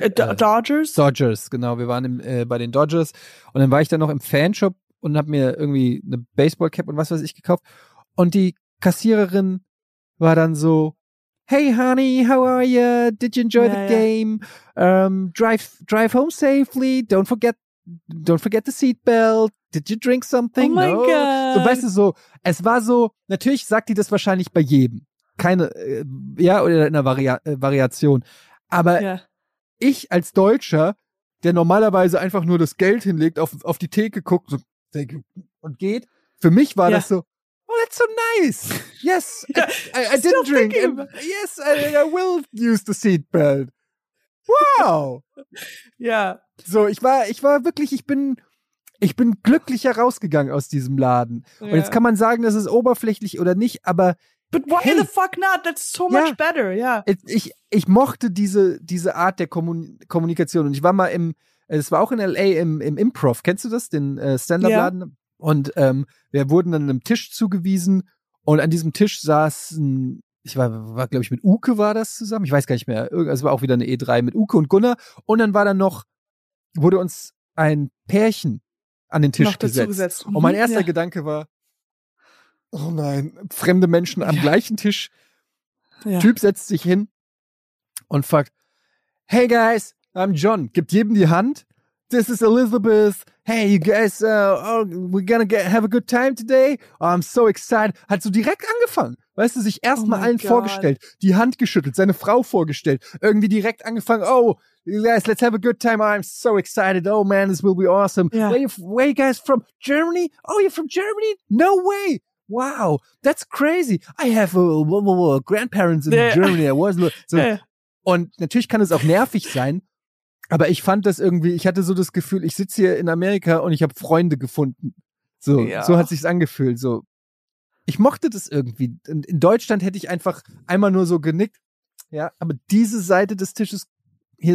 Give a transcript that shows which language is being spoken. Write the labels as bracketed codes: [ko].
[de] Dodgers? Dodgers, genau. Wir waren bei den Dodgers und dann war ich da noch im Fanshop und hab mir irgendwie eine Baseballcap und was weiß ich gekauft und die Kassiererin war dann so, [en] hey honey, how are you? Did you enjoy the game? Drive home safely. Don't forget the seatbelt. Did you drink something? [de] Oh mein Gott. So, weißt du, so, es war so, natürlich sagt die das wahrscheinlich bei jedem. Keine, oder in einer Variation. Aber ich als Deutscher, der normalerweise einfach nur das Geld hinlegt, auf die Theke guckt so, und geht, für mich war das so, [en] oh, that's so nice. Yes, I didn't drink. Yes, I will use the seatbelt. Wow. [de] So, ich bin glücklich herausgegangen aus diesem Laden. Yeah. Und jetzt kann man sagen, das ist oberflächlich oder nicht, aber [en] But why the fuck not? That's so much better, [de] Ich mochte diese Art der Kommunikation. Und ich war mal es war auch in L.A. im Improv. Kennst du das, den Stand-Up-Laden? Yeah. Und wir wurden dann einem Tisch zugewiesen. Und an diesem Tisch saßen, ich war glaube ich, mit Uke war das zusammen. Ich weiß gar nicht mehr. Es war auch wieder eine E3 mit Uke und Gunnar. Und dann wurde uns ein Pärchen an den Tisch gesetzt. Und mein erster Gedanke war, oh nein, fremde Menschen am gleichen Tisch. Ja. Typ setzt sich hin und fragt, [en] hey guys, I'm John, [de] gibt jedem die Hand. [en] This is Elizabeth. Hey, you guys, we're gonna have a good time today. Oh, I'm so excited. [de] Hat so direkt angefangen. Weißt du, sich erstmal allen vorgestellt, die Hand geschüttelt, seine Frau vorgestellt, irgendwie direkt angefangen. [en] Oh, guys, let's have a good time. I'm so excited. Oh man, this will be awesome. Yeah. Where are you guys from? Germany? Oh, you're from Germany? No way. Wow, that's crazy. I have grandparents in Germany. I was so. [de] Und natürlich kann es auch nervig sein. Aber ich fand das irgendwie, ich hatte so das Gefühl, ich sitze hier in Amerika und ich habe Freunde gefunden. So, so hat sich's angefühlt. So, ich mochte das irgendwie. In Deutschland hätte ich einfach einmal nur so genickt. Ja, aber diese Seite des Tisches hier